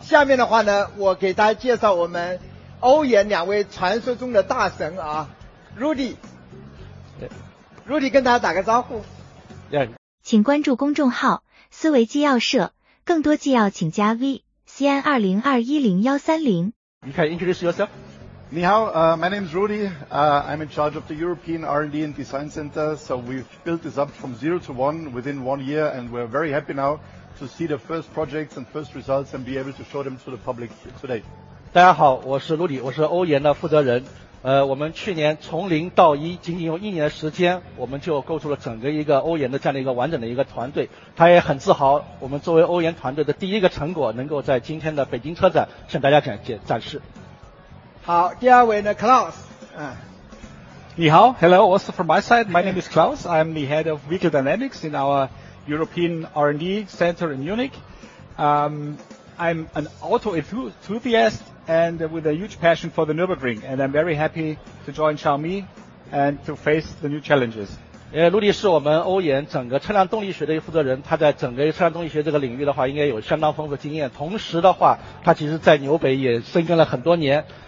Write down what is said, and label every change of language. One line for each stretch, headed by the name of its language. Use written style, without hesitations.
Chinese: 下面的话呢，我给大家介绍我们欧研两位传说中的大神啊 ，Rudy。 Rudy 跟大家打个招呼。请关注公众号“思维纪要社”，更多纪要请加 VCN202101330。
English: You can introduce yourself.
Chinese: 你好，
English: my name is Rudy. I'm in charge of the European R&D and Design Center. So we've built this up from 0 to 1 within 1 year, and we're very happy now to see the first projects and first results and be able to show them to the public today.
Chinese: 大家好，我是 Rudy， 我是欧研的负责人。我们去年从零到一，仅仅用一年的时间，我们就构筑了整个一个欧研的这样的一个完整的一个团队。他也很自豪，我们作为欧研团队的第一个成果，能够在今天的北京车展向大家展示。好，第二位呢 ，Klaus。你好
English: ，Hello， also from my side， my name is Klaus， I'm the head of vehicle dynamics in our European R&D center in Munich。 I'm an auto enthusiast and with a huge passion for the Nürburgring, and I'm very happy to join Xiaomi and to face the new challenges.
Chinese: 陆迪是我们欧研整个车辆动力学的一个负责人，他在整个车辆动力学这个领域的话，应该有相当丰富经验。同时的话，他其实在纽北也深耕了很多年。